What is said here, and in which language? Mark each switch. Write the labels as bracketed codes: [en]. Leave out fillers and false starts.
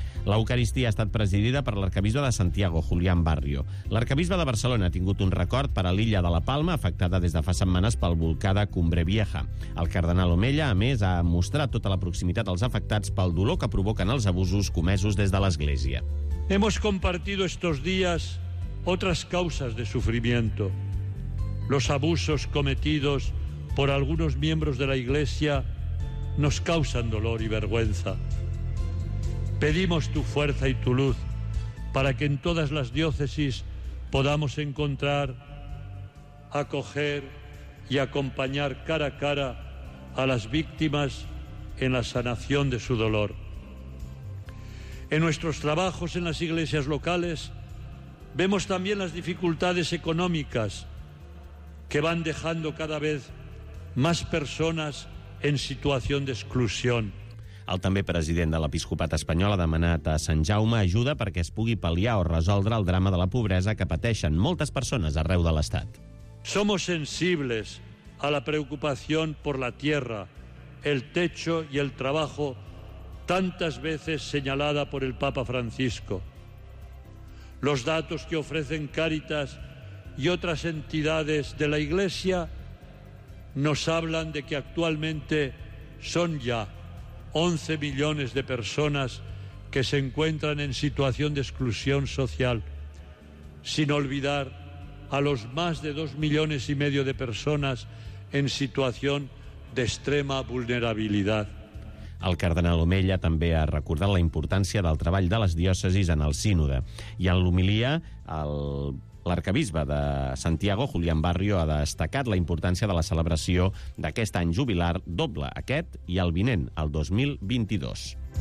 [ca] L'Eucaristia ha estat presidida per l'arcabisbe de Santiago, Julián Barrio. L'arcabisbe de Barcelona ha tingut un record per a l'illa de la Palma, afectada des de fa setmanes pel volcà de Cumbre Vieja. El cardenal Omella, a més, ha mostrat tota la proximitat als afectats pel dolor que provoquen els abusos comesos des de l'Església. [es] Hemos compartido estos días otras causas de sufrimiento. Los abusos cometidos por algunos miembros de la Iglesia nos causan dolor y vergüenza. Pedimos tu fuerza y tu luz para que en todas las diócesis podamos encontrar, acoger y acompañar cara a cara a las víctimas en la sanación de su dolor. En nuestros trabajos en las iglesias locales vemos también las dificultades económicas que van dejando cada vez más personas en situación de exclusión. [ca] El també president de l'Episcopat Espanyol ha demanat a Sant Jaume ajuda perquè es pugui pal·liar o resoldre el drama de la pobresa que pateixen moltes persones arreu de l'Estat. [es] Somos sensibles a la preocupación por la tierra, el techo y el trabajo, tantas veces señalada por el Papa Francisco. Los datos que ofrecen Cáritas y otras entidades de la Iglesia nos hablan de que actualmente son ya 11 millones de personas que se encuentran en situación de exclusión social, sin olvidar a los más de 2,5 millones de personas en situación de extrema vulnerabilidad. [ca] El cardenal Omella també ha recordat la importància del treball de les diòcesis en el sínode. I en l'homilia, l'arcabisbe de Santiago, Julián Barrio, ha destacat la importància de la celebració d'aquest any jubilar doble, aquest i el vinent, el 2022.